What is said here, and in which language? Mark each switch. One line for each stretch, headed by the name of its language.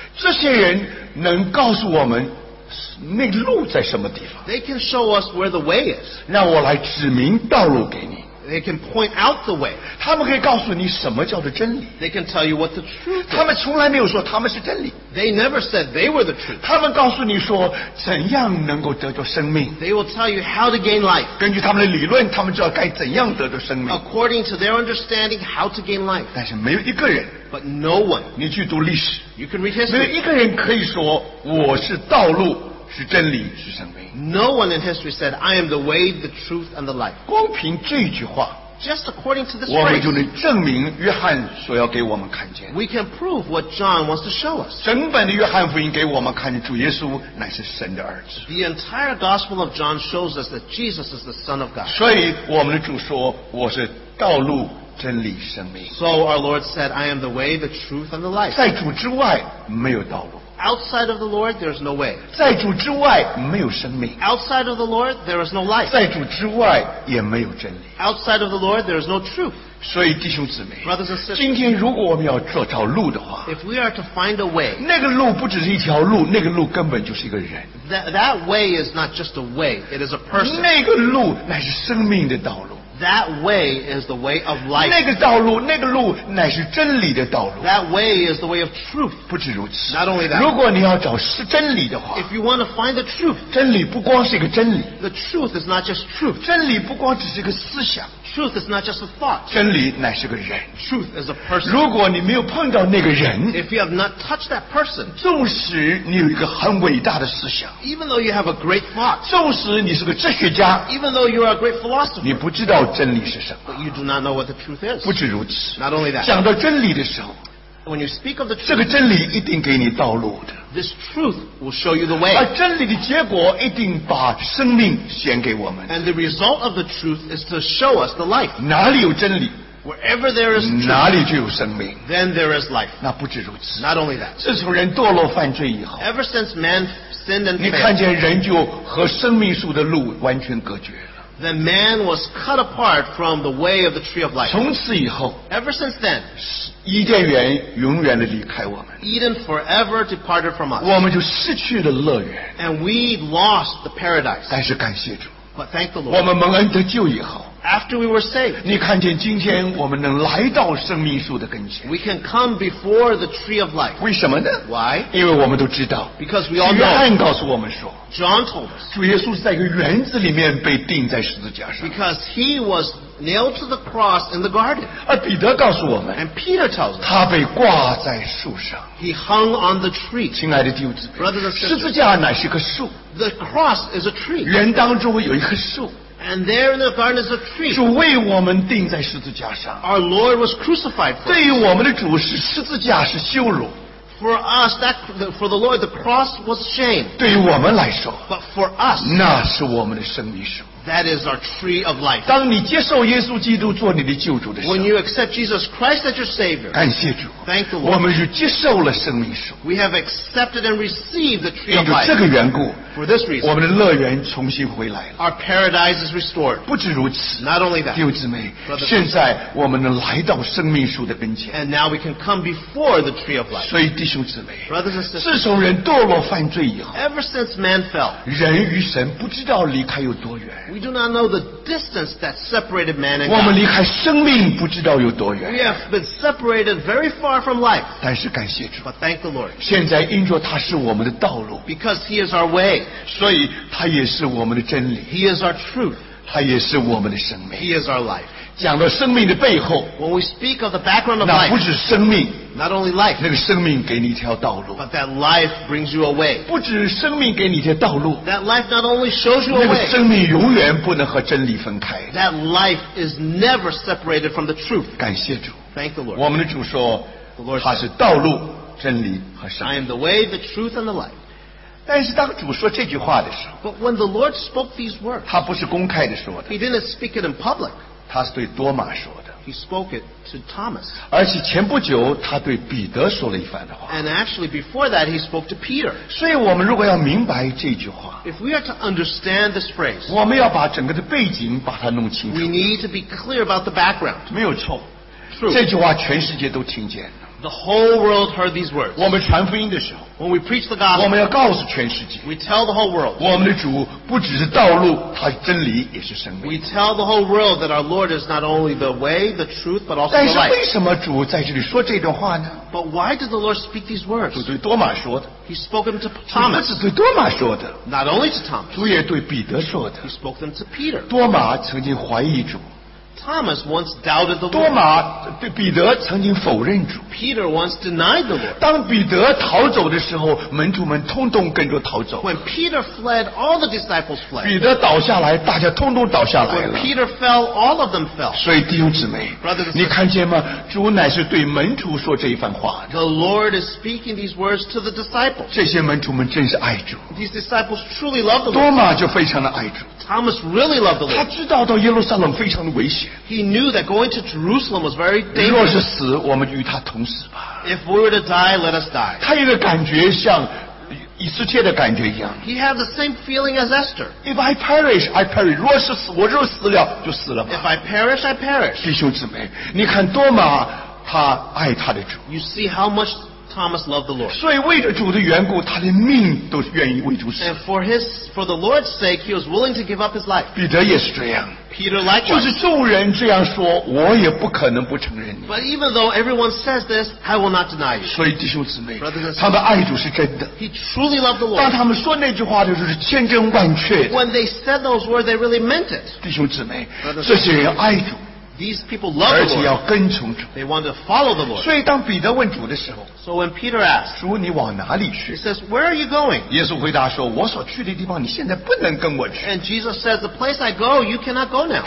Chinese: 这些人能告诉我们那路在什么地方,
English: they can show us where the way is.
Chinese: 让我来指明道路给你,
English: they can point out the way.
Chinese: 他们可以告诉你什么叫做真理,
English: they can tell you what the truth is.
Chinese: 他们从来没有说他们是真理,
English: they never said they were the truth.
Chinese: 他们告诉你说怎样能够得到生命,
English: they will tell you how to gain life.
Chinese: 根据他们的理论, 他们知道该怎样得到生命,
English: according to their understanding how to gain life.
Chinese: 但是没有一个人,
English: but no one,
Chinese: 你去读历史,
English: you can read history,
Chinese: 没有一个人可以说我是道路, 是真理, 是生命,
English: no one in history said, I am the way, the truth, and the life.
Chinese: 光凭这句话,
English: just according to this phrase,
Chinese: 我们就能证明约翰所要给我们看见,
English: we can prove what John wants to show us.
Chinese: 整本的约翰福音给我们看见主耶稣乃是神的儿子,
English: the entire gospel of John shows us that Jesus is the Son of God.
Chinese: 所以我们的主说, 我是道路, 真理, 生命,
English: so our Lord said, I am the way, the truth, and the life.
Chinese: 在主之外, 没有道路,
English: outside of the Lord, there is no way.
Chinese: 在主之外没有生命,
English: outside of the Lord, there is no life.
Chinese: 在主之外也没有真理,
English: outside of the Lord, there is no truth.
Chinese: 所以弟兄姊妹,
English: brothers and sisters,
Chinese: 今天如果我们要找路的话,
English: if we are to find a way,
Chinese: 那个路不只是一条路, 那个路根本就是一个人,
English: that way is not just a way, it is a person.
Chinese: 那个路乃是生命的道路,
English: that way is the way of life.
Chinese: 那个道路, 那个路乃是真理的道路,
English: that way is the way of truth.
Chinese: 不止如此,
English: not only that,
Chinese: 如果你要找真理的话,
English: if you want to find the truth,
Chinese: 真理不光是一个真理,
English: the truth is not just truth,
Chinese: 真理不光只是一个思想,
English: truth is not just a thought,
Chinese: 真理乃是个人,
English: truth is a person.
Chinese: 如果你没有碰到那个人,
English: if you have not touched that person,
Chinese: 纵使你有一个很伟大的思想,
English: even though you have a great thought,
Chinese: 纵使你是个哲学家,
English: even though you are a great philosopher,
Chinese: 你不知道真理是什么,
English: but you do not know what the truth is.
Chinese: 不止如此,
English: not only that,
Chinese: 讲到真理的时候,
English: when you speak of the truth,
Chinese: 这个真理一定给你道路的,
English: this truth will show you the way.
Chinese: 而真理的结果一定把生命显给我们,
English: and the result of the truth is to show us the life.
Chinese: 哪里有真理,
English: wherever there is truth,
Chinese: 哪里就有生命,
English: then there is life.
Chinese: 那不止如此,
English: not only that,
Chinese: 自从人堕落犯罪以后,
English: ever since man sinned and failed,
Chinese: 你看见人就和生命树的路完全隔绝,
English: then man was cut apart from the way of the tree of life.
Chinese: 从此以后,
English: ever since then,
Chinese: 伊甸园永远地离开我们,
English: Eden forever departed from us.
Chinese: 我们就失去了乐园,
English: and we lost the paradise.
Chinese: 但是感谢主,
English: but thank the Lord,
Chinese: 我们蒙恩得救以后,
English: after we were saved,
Chinese: 你看见今天我们能来到生命树的跟前,
English: we can come before the tree of life.
Chinese: 为什么呢?
English: Why?
Chinese: 因为我们都知道,
English: because we all know,
Chinese: 约翰告诉我们说,
English: John told us,
Chinese: 主耶稣在一个园子里面被钉在十字架上,
English: because he was nailed to the cross in the garden.
Chinese: 而彼得告诉我们,
English: and Peter tells us,
Chinese: 他被挂在树上,
English: he hung on the tree.
Chinese: 亲爱的弟兄姊妹,
English: brothers and sisters,
Chinese: 十字架乃是棵树,
English: the cross is a tree.
Chinese: 园当中有一棵树,
English: and there in the garden is a tree.
Chinese: 主为我们钉在十字架上,
English: our Lord was crucified for us.
Chinese: 对于我们的主是十字架是羞辱,
English: for us, for the Lord, the cross was shame.
Chinese: 对于我们来说,
English: but for us,
Chinese: 那是我们的生命树,
English: that is our tree of life.
Chinese: 当你接受耶稣基督做你的救主的时候,
English: when you accept Jesus Christ as your Savior,
Chinese: 感谢主,
English: thank the Lord,
Chinese: 我们就接受了生命树,
English: we have accepted and received the tree of life.
Chinese: 因着这个缘故,
English: for this reason,
Chinese: 我们的乐园重新回来了,
English: our paradise is restored.
Chinese: 不止如此,
English: not only that,
Chinese: 弟兄姊妹, 现在我们能来到生命树的跟前,
English: and now we can come before the tree of life.
Chinese: 所以弟兄姊妹,
English: brothers and sisters,
Chinese: 自从人堕落犯罪以后,
English: ever since man fell,
Chinese: 人与神不知道离开有多远,
English: We do not know the distance that separated man and God.
Chinese: 我们离开生命不知道有多远。
English: We have been separated very far from life.
Chinese: 但是感谢主。
English: But thank the Lord.
Chinese: 现在因着他是我们的道路。
English: Because he is our way.
Chinese: 所以他也是我们的真理。
English: He is our truth.
Chinese: 他也是我们的生命。
English: He is our life.
Chinese: 讲到生命的背后
English: When we speak of the background of life,
Chinese: 那不是生命
English: not only life,
Chinese: 那个生命给你一条道路
English: but that life brings you away,
Chinese: 不止生命给你一条道路
English: that life not only shows you a way,
Chinese: 那个生命永远不能和真理分开
English: that life is never separated from the truth,
Chinese: 感谢主
English: thank the Lord,
Chinese: 我们的主说
English: the Lord
Chinese: 他是道路真理和生命
English: I am the way, the truth, and the life.
Chinese: 但是当主说这句话的时候
English: but when the Lord spoke these words,
Chinese: 他不是公开的说的
English: he didn't speak it in public,
Chinese: 他是对多马说的
English: He spoke it to Thomas.
Chinese: 而且前不久他对彼得说了一番的话
English: And actually before that he spoke to Peter.
Chinese: 所以我们如果要明白这句话
English: If we are to understand this phrase
Chinese: 我们要把整个的背景把它弄清楚
English: We need to be clear about the background.
Chinese: 没有错
English: True.
Chinese: 这句话全世界都听见了
English: The whole world heard these words.
Chinese: 我们传福音的时候
English: When we preach the gospel
Chinese: 我们要告诉全世界
English: We tell the whole world.
Chinese: 我们的主不只是道路他是真理也是生命
English: We tell the whole world that our Lord is not only the way, the truth, but also the life.
Chinese: 但是为什么主在这里说这段话呢
English: But why did the Lord speak these words?
Chinese: 主对多马说的
English: He spoke them to Thomas.
Chinese: 主不只对多马说的
English: Not only to Thomas.
Chinese: 主也对彼得说的
English: He spoke them to Peter.
Chinese: 多马曾经怀疑主
English: Thomas once doubted the Lord.
Chinese: 多马对彼得曾经否认主。
English: Peter once denied the Lord.
Chinese: 当彼得逃走的时候，门徒们通通跟着逃走。
English: When Peter fled, all the disciples fled.
Chinese: 彼得倒下来，大家通通倒下来了。
English: When Peter fell, all of them fell.
Chinese: 所以弟兄姊妹
English: Brothers and sisters,
Chinese: 你看见吗？主乃是对门徒说这一番话。
English: The Lord is speaking these words to the disciples.
Chinese: 这些门徒们真是爱主。
English: These disciples truly love the Lord.
Chinese: 多马就非常的爱主。
English: Thomas really loved the Lord.
Chinese: 他知道到耶路撒冷非常的危险。
English: He knew that going to Jerusalem was very dangerous.
Chinese: 若是死，我们与他同死吧。
English: If we were to die, let us die.
Chinese: 他有个感觉像以斯帖的感觉一样。
English: He had the same feeling as Esther. If I perish, I perish.
Chinese: 若是死，我若死了，就死了吧。
English: If I perish, I perish.
Chinese: 弟兄姊妹，你看多马，他爱他的主。
English: You see how much Thomas loved the Lord.
Chinese: 所以为着主的缘故，他的命都愿意为主死。
English: And for the Lord's sake, he was willing to give up his life.
Chinese: 彼得也是这样。
English: Peter likewise.
Chinese: 就是众人这样说，我也不可能不承认你。
English: But even though everyone says this, I will not deny you.
Chinese: 所以弟兄姊妹
English: Brothers and sisters,
Chinese: 他们爱主是真的。
English: He truly loved the Lord.
Chinese: 当他们说那句话的时候是千真万确的。
English: When they said those words, they really meant it.
Chinese: 弟兄姊妹这些人爱主。
English: These people love the Lord.
Chinese: 而且要跟从主。
English: They want to follow the Lord.
Chinese: 所以当彼得问主的时候
English: So when Peter asked,
Chinese: 主你往哪里去
English: He says, where are you going?
Chinese: 耶稣回答说我所去的地方你现在不能跟我去
English: And Jesus says, the place I go, you cannot go now.